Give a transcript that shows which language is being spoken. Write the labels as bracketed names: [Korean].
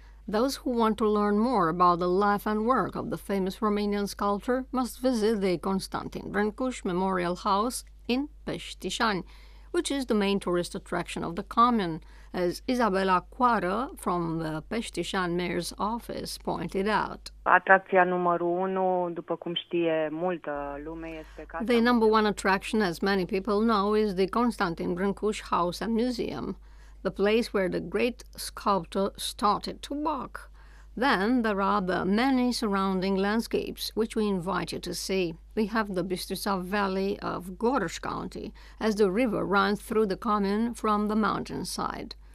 [English] Those who want to learn more about the life and work of the famous Romanian sculptor must visit the Constantin Brâncuș Memorial House in Peștișani, which is the main tourist attraction of the commune, as Isabella Coară from the Peștișan mayor's office pointed out. [Romanian] Atracția numărul unu, după cum știe multă lume, este casa. [English] The number one attraction, as many people know, is the Constantin Brâncuș House and Museum, the place where the great sculptor started to walk. Then there are the many surrounding landscapes, which we invite you to see. We have the Bistrița Valley of Gorj County, as the river runs through the commune from the mountainside.